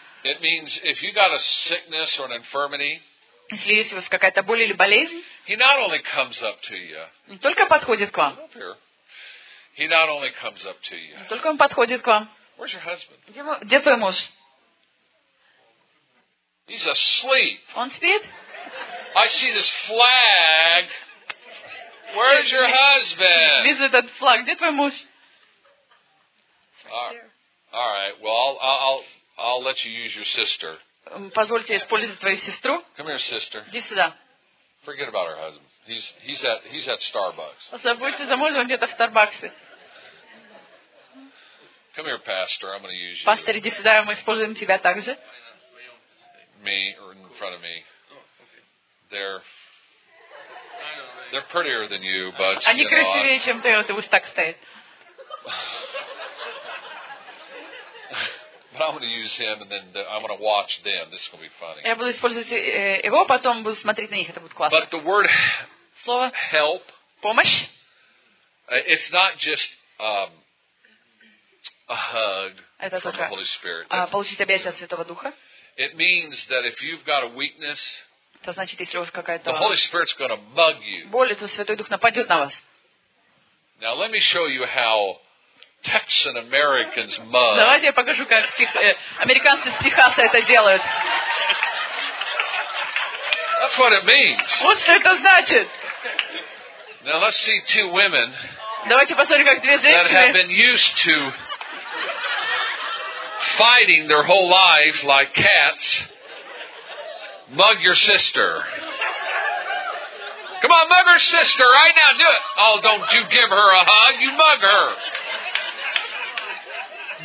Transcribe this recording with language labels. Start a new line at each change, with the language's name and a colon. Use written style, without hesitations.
English: It means if you got a sickness or an infirmity.
Russian: Если есть у вас какая-то боль или болезнь.
English: He not only comes up to you.
Russian: Не только подходит к вам.
English: He not only comes up to you.
Russian: Только он подходит к вам.
English: Where's your husband?
Russian: Где твой муж?
English: He's asleep.
Russian: Он спит?
English: I see this flag. Where's your husband?
Russian: Вижу этот флаг. Где твой муж?
English: All right. Well, I'll let you use your sister.
Russian: Позвольте использовать твою сестру.
English: Come here, sister.
Russian: Иди сюда.
English: Forget about her husband. He's at Starbucks.
Russian: Забудьте за мужа, он где-то в Старбаксе.
English: Come here, pastor. I'm going to use you.
Russian: Пастор, иди сюда, мы используем тебя также.
English: Me or in front of me. They're prettier than you, but
Russian: они красивее, чем ты, вот уж так стоит.
English: But I'm going to use him, and then I'm going to watch them. This is going to be funny.
Russian: Я буду использовать его, потом буду смотреть на них. Это будет классно.
English: But the word
Russian: слово
English: help
Russian: помощь.
English: It's not just a hug from
Russian: только,
English: the Holy Spirit.
Russian: Получить объятия от Святого Духа.
English: It means that if you've got a weakness,
Russian: это значит, если у вас какая-то
English: the Holy Spirit's going to bug you.
Russian: Боль, то Святой Дух нападет на вас.
English: Now let me show you how Texan Americans mug.
Russian: Давайте я покажу, как американцы с Техаса это делают.
English: That's what it means.
Russian: Вот что это значит.
English: Now let's see two women.
Russian: Давайте посмотрим, как две женщины.
English: That have been used to fighting their whole life like cats. Mug your sister. Come on, mug her sister right now. Do it. Oh, don't you give her a hug. You mug her.